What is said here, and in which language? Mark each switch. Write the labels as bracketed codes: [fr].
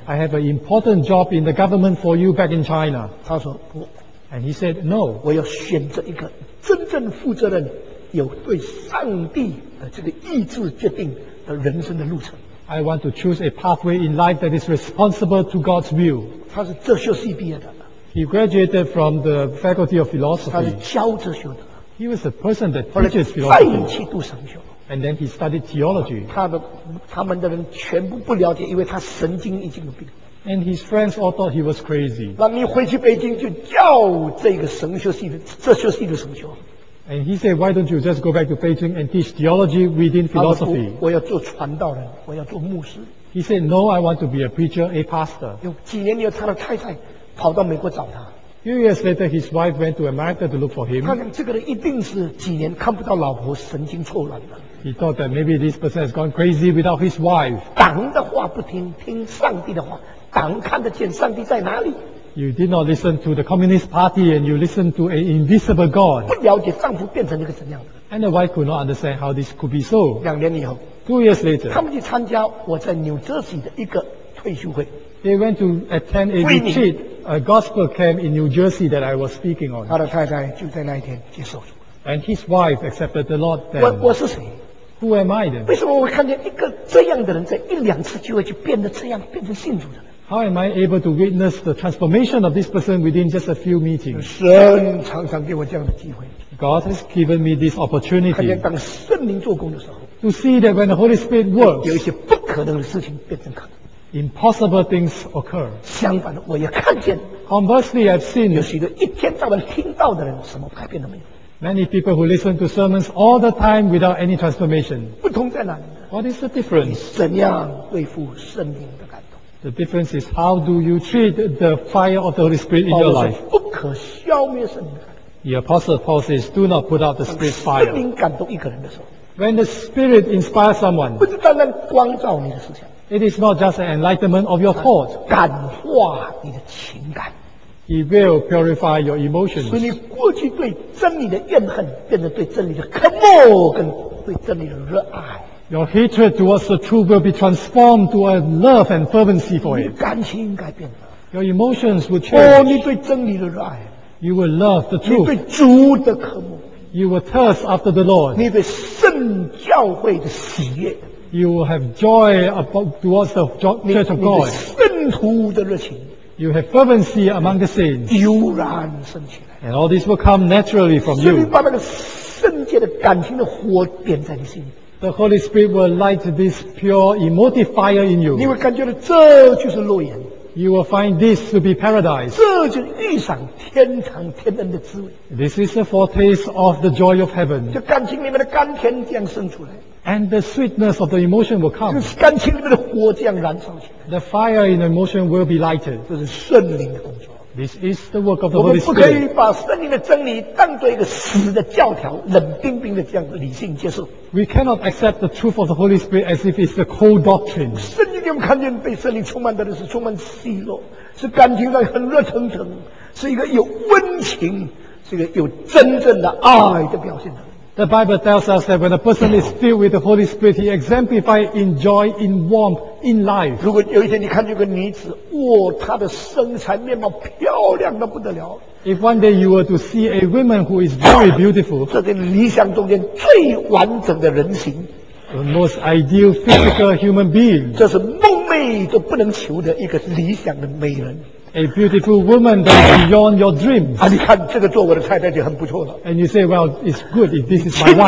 [en] I have an important job in the government for you back in China. [zh] 他说不。 [en] And he said, no. [zh] 我要选择一个真正负责任，有对上帝的这个意志决定的人生的路程。 [en] I want to choose a pathway in life that is responsible to God's will. [zh] 他是哲学系毕业的。 [en] He graduated from the Faculty of Philosophy. [zh] 他是教哲学的。 [en] He was a person that teaches philosophy. [zh] 再去读神学。 [en] And then he studied theology. [zh] 他们的人全部不了解，因为他神经已经有病。 [en] And his friends all thought he was crazy. [zh] 那你回去北京就教这个神学系的哲学系的神学。 [en] And he said, why don't you just go back to Beijing and teach theology within philosophy? [zh] 我要做传道人，我要做牧师。 [en] He said, no, I want to be a preacher, a pastor. [zh] 有几年以后，他的太太跑到美国找他。 [en] Few years later, his wife went to America to look for him. [zh] 他想这个人一定是几年看不到老婆，神经错乱了。 [en] He thought that maybe this person has gone crazy without his wife. [zh] 党的话不听，听上帝的话。党看得见上帝在哪里。 [en] You did not listen to the Communist Party and you listened to an invisible God. [zh] 不了解丈夫变成一个怎样的。 [en] And the wife could not understand how this could be so. [zh] 两年以后。 [en] Two years later. [zh] 他们去参加我在 New Jersey 的一个退休会。 [en] They went to attend a retreat, a gospel camp in New Jersey that I was speaking on. [zh] 他的太太就在那一天接受主。 [en] And his wife accepted the Lord then. [zh] 我是谁？ [en] Who am I then? [zh] 为什么我看见一个这样的人在一两次机会就变得这样，变成信主的人？ [en] How am I able to witness the transformation of this person within just a few meetings? [zh] 神常常给我这样的机会。 [en] God has given me this opportunity. [zh] 看见当圣灵做工的时候。 [en] To see that when the Holy Spirit works, [zh] 有一些不可能的事情变成可能。 [en] Impossible things occur. [zh] 相反的，我也看见。 [en] Conversely, I've seen [zh] 有许多一天到晚听到的人，什么改变都没有。 [en] Many people who listen to sermons all the time without any transformation. [zh] 不同在哪里？ [en] What is the difference? [zh] 怎样恢复圣灵？ [en] The difference is how do you treat the fire of the Holy Spirit in your life? [zh] 不可消灭圣灵。 [en] The Apostle Paul says, do not put out the Spirit's fire. [zh] 圣灵感动一个人的时候。 [en] When the Spirit inspires someone, [zh] 不是单单光照你的思想。 [en] It is not just an enlightenment of your thought. [zh] 感化你的情感。 [en] He will purify your emotions. [zh] 使你过去对真理的怨恨变成对真理的渴慕跟对真理的热爱。 [en] Your hatred towards the truth will be transformed to a love and fervency for it. [zh] 你感情应该变了。 [en] Your emotions will change. [zh] 你对真理的热爱。 [en] You will love the truth. [zh] 你对主的渴慕。 [en] You will thirst after the Lord. [zh] 你对圣教会的喜悦。 [en] You will have joy towards the church of God. [zh] 你对圣徒的热情。 [en] You have fervency among the saints. [zh] 油然升起来。 [en] And all this will come naturally from you. [zh] 你把那个圣洁的感情的火点在你心里。 [en] The Holy Spirit will light this pure emotive fire in you. [zh] 你会感觉到这就是乐园。 [en] You will find this to be paradise. [zh] 这就是遇上天堂天恩的滋味。 [en] This is a foretaste of the joy of heaven. [zh] 就感情里面的甘甜将生出来。 [en] And the sweetness of the emotion will come. [zh] 就是感情里面的火将燃烧起来。 [en] The fire in the emotion will be lighted. [zh] 这是圣灵的工作。 [en] This is the work of the Holy Spirit. [zh] 我们不可以把圣灵的真理当作一个死的教条，冷冰冰的这样理性接受。 [en] We cannot accept the truth of the Holy Spirit as if it's a cold doctrine. [zh] 圣经里面看见被圣灵充满的人是充满喜乐，是感情上很热腾腾，是一个有温情，是一个有真正的爱的表现的。 [en] The Bible tells us that when a person is filled with the Holy Spirit, he exemplifies in joy, in warmth, in life. [zh] 如果有一天你看见一个女子，哇，她的身材面貌漂亮得不得了。 [en] If one day you were to see a woman who is very beautiful, [zh] 这是理想中间最完整的人形。 [en] The most ideal physical human being. [zh] 这是梦寐都不能求的一个理想的美人。 [en] A beautiful woman that is beyond your dreams. [zh] 啊，你看这个做我的太太就很不错了。 [en] And you say, well, it's good if this is my wife.